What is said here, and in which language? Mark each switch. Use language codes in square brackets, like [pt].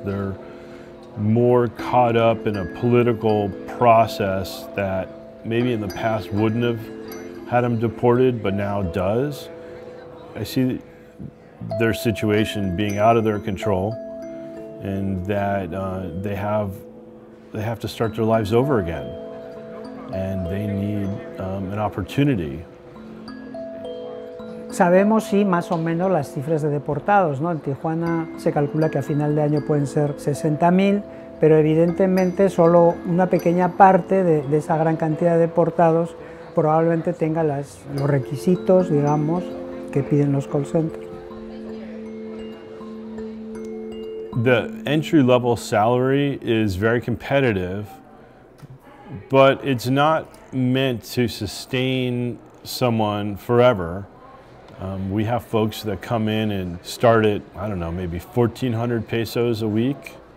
[en] They're more caught up in a political process that maybe in the past wouldn't have had them deported, but now does. I see their situation being out of their control, and that they have to start their lives over again, and they need an opportunity. [es] Sabemos, sí, más o menos las cifras de deportados, ¿no? En Tijuana se calcula que a final de año pueden ser 60,000, pero evidentemente solo una pequeña parte de esa gran cantidad de deportados probablemente tenga los requisitos, digamos, que piden los call centers. [en] The entry-level salary is very competitive, but it's not meant to sustain someone forever. We have folks that come in and start at, I don't know, maybe 1,400 pesos a week.